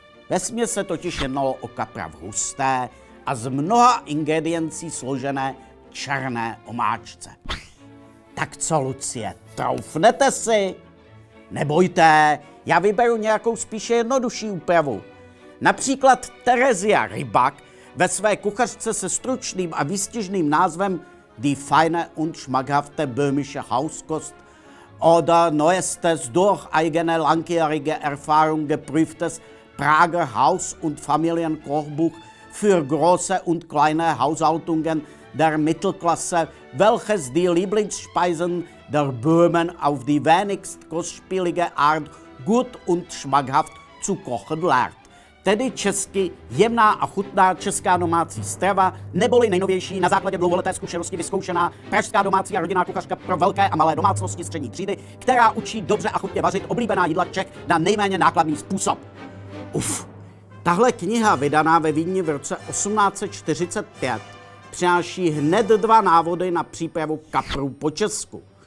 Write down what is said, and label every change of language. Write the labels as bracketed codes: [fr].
[cs] Vesměs se totiž jednalo o kapra v husté a z mnoha ingrediencí složené černé omáčce. Tak co, Lucie, troufnete si? Nebojte, já vyberu nějakou spíše jednodušší úpravu. Například Terezia Rybak ve své kuchařce se stručným a výstižným názvem [de] Die feine und schmackhafte böhmische Hauskost oder neuestes durch eigene langjährige Erfahrung geprüftes Prager Haus- und Familienkochbuch für große und kleine Haushaltungen der Mittelklasse, welches die Lieblingsspeisen der Böhmen auf die wenigst kostspielige Art gut und schmackhaft zu kochen lehrt. [cs] Tedy česky jemná a chutná česká domácí strava, neboli nejnovější na základě dlouholeté zkušenosti vyzkoušená pražská domácí a rodinná kuchařka pro velké a malé domácnosti střední třídy, která učí dobře a chutně vařit oblíbená jídla Čech na nejméně nákladný způsob. Uf, tahle kniha vydaná ve Vídni v roce 1845 přináší hned dva návody na přípravu kaprů po česku.